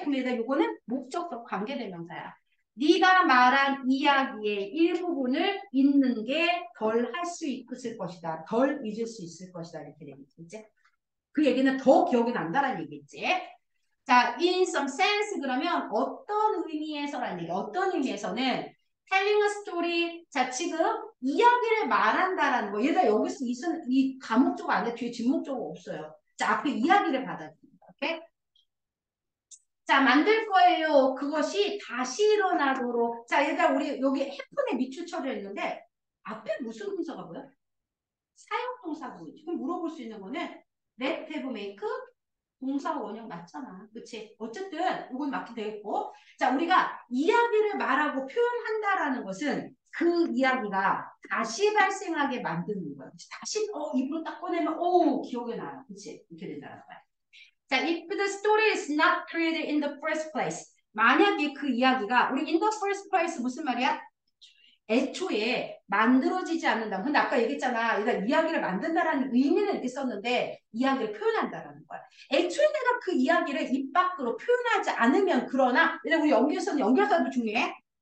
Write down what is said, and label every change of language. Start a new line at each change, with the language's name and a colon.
Korean: 그럼 얘들아, 요거는 목적격 관계대명사야. 네가 말한 이야기의 일부분을 잊는 게덜할수 있을 것이다. 덜 잊을 수 있을 것이다. 이렇게 되겠지. 그 얘기는 더 기억이 난다라는 얘기겠지. 자,
English: in some sense
Korean: 그러면 어떤 의미에서라는 얘기. 어떤 의미에서는
English: telling a story.
Korean: 자, 지금 이야기를 말한다라는 거. 얘가 여기서 이 감옥적 안에 뒤에 진목적 없어요. 자, 앞에 이야기를 받아들인다. 오케이? 자, 만들 거예요. 그것이 다시 일어나도록. 자, 얘들아, 우리 여기 해픈에 밑줄 처리했는데, 앞에 무슨 동사가 보여? 사용동사 보이지? 그럼 물어볼 수 있는 거는,
English: let have make
Korean: 동사 원형 맞잖아. 그치? 어쨌든, 이건 맞게 되겠고. 자, 우리가 이야기를 말하고 표현한다라는 것은 그 이야기가 다시 발생하게 만드는 거야. 다시, 입으로 딱 꺼내면, 오, 기억이 나요. 그치? 이렇게 된다는 거야.
English: 자, if the story is not created in the first place.
Korean: 만약에 그 이야기가, 우리
English: in the first place
Korean: 무슨 말이야? 애초에 만들어지지 않는다. 근데 아까 얘기했잖아. 이야기를 만든다라는 의미는 있었는데, 이야기를 표현한다라는 거야. 애초에 내가 그 이야기를 입 밖으로 표현하지 않으면 그러나, 우리 연결선 연결선도 중요해.